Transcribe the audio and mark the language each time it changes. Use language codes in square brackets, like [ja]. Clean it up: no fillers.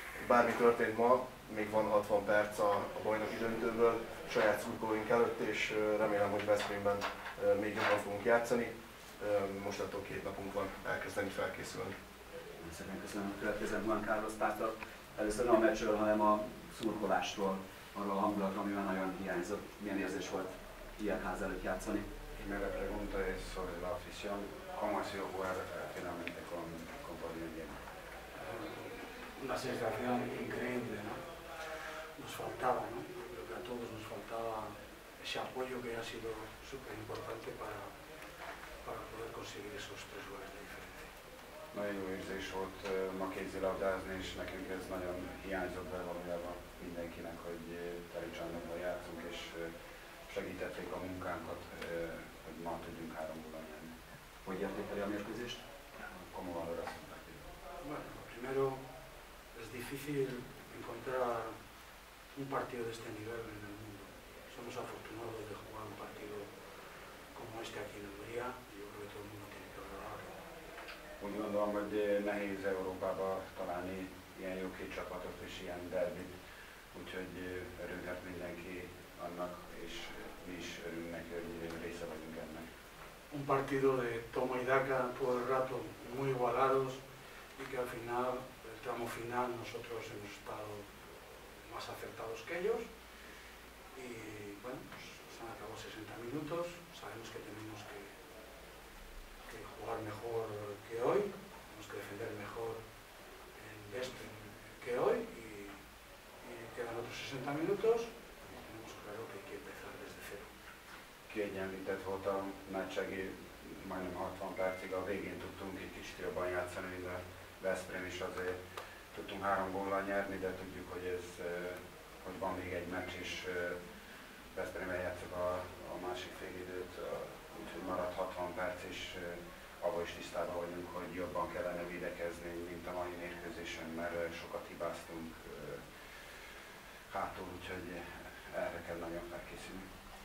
[hu] Bármi történt ma, még van 60 perc a bajnoki döntőből saját szurkolóink előtt, és remélem, hogy Veszprémben még jobban fogunk játszani. Most attól 2 napunk van elkezdeni felkészülni. Szerintem köszönöm, a következő Juan Carlos Pásztor. Először nem a meccsről, hanem a szurkolástól, arról a hangulatra, amivel nagyon hiányzott. Milyen érzés volt ilyen ház előtt játszani? [es] Mire pregunta es sobre la afición, cómo ha sido jugar finalmente con Bolívar Lleno. Una sensación increíble, ¿no? Nos faltaba, ¿no? Creo que a todos nos faltaba ese apoyo que ha sido súper importante para poder conseguir esos 3 goles de diferencia. [hu] Nagyon jó érzés volt ma kézilabdázni, és nekünk ez nagyon hiányzott be valójában mindenkinek, hogy Tericsandokban játszunk, és segítették a munkánkat, hogy ma tudjunk 3 gólt nyerni. Hogy értékeli a mérkőzést? Komolyan örömmel. [es] Primero, es difícil encontrar un partido de este nivel en el mundo. Somos afortunados de jugar un partido como este aquí en Hungría. Yo creo que todo el mundo tiene que valorarlo. [hu] Úgy gondolom, hogy nehéz Európában találni ilyen jó két csapatot és ilyen derbit. Úgyhogy örülhet mindenki annak, és mi is örülünk neki, hogy része vagyunk ennek. [es] Un partido de toma y daca, todo el rato muy igualados, y que al final, el tramo final, nosotros hemos estado más acertados que ellos. Y bueno, pues, se han acabado 60 minutos, sabemos que tenemos que jugar mejor que hoy, tenemos que defender mejor en este que hoy. Quedan otros 60 minutos y tenemos claro que hay que empezar desde cero. [hu] Kiegyenlített volt a meccsegi, majdnem 60 percig, a végén tudtunk egy kicsit jobban játszani, mivel Veszprém is azért tudtunk 3 góllal nyerni, de tudjuk, hogy ez, hogy van még egy meccs, és Veszprém eljátszik a másik félidőt, úgyhogy maradt 60 perc, és abban is tisztában vagyunk, hogy jobban kellene védekezni, mint a mai mérkőzésen, mert sokat hibáztunk hátul, úgyhogy erre kell nagyon felkészülni.